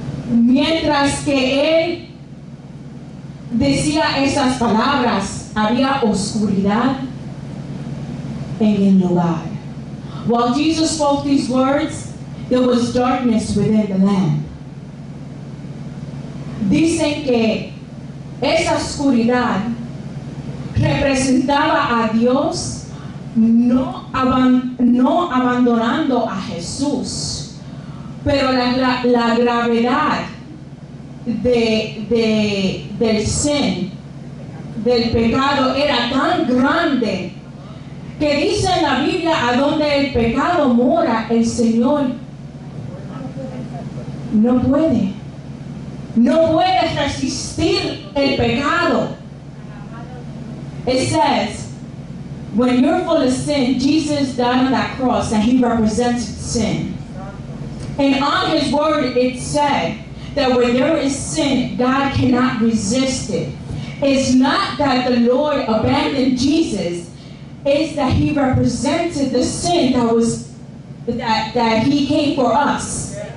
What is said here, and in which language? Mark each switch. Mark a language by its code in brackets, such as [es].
[es] Mientras que él decía esas palabras, había oscuridad en el lugar. [en] While Jesus spoke these words, there was darkness within the land. [es] Dicen que esa oscuridad representaba a Dios no abandonando a Jesús, pero la gravedad del sin, del pecado, era tan grande que dice en la Biblia, a donde el pecado mora, el Señor no puede resistir el pecado. [en] It says, when you're full of sin, Jesus died on that cross and he represented sin. And on his word, it said that when there is sin, God cannot resist it. It's not that the Lord abandoned Jesus, it's that he represented the sin that he came for us.